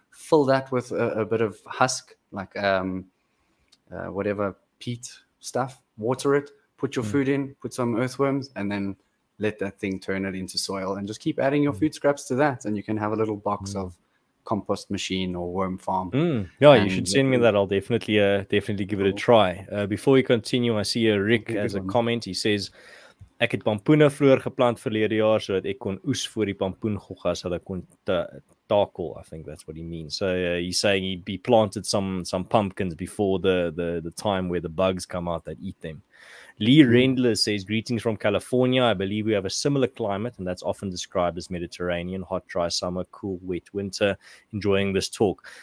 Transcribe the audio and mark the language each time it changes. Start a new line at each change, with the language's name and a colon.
English: Fill that with a bit of husk, like whatever peat stuff, water it, put your food in, put some earthworms, and then let that thing turn it into soil, and just keep adding your food scraps to that. And you can have a little box of compost machine or worm farm. Yeah, you should send me that. I'll definitely give it a try. Before we continue, I see a Rick has a comment. He says,
Afrikaans: Ek het pampoene vroeër geplant verlede jaar sodat ek kon oes vir die pampoengoggas hulle kon takel.
English: I think that's what he means. So he's saying he planted some pumpkins before the time where the bugs come out that eat them. Lee Rendler says, greetings from California. I believe we have a similar climate, and that's often described as Mediterranean, hot, dry summer, cool, wet winter. Enjoying this talk.